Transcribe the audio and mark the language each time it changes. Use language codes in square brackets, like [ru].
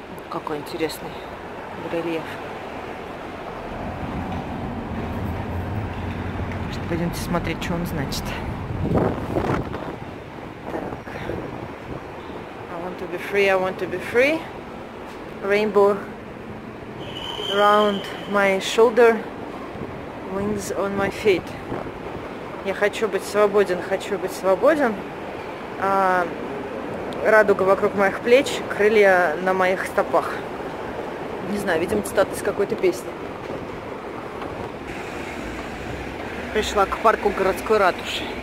[ru] Какой интересный рельеф. Сейчас пойдемте смотреть, что он значит. Так. [en] I want to be free, I want to be free. Rainbow round my shoulder, wings on my feet. [ru] Я хочу быть свободен, хочу быть свободен. Радуга вокруг моих плеч, крылья на моих стопах. Не знаю, видимо, цитат из какой-то песни. Пришла к парку городской ратуши.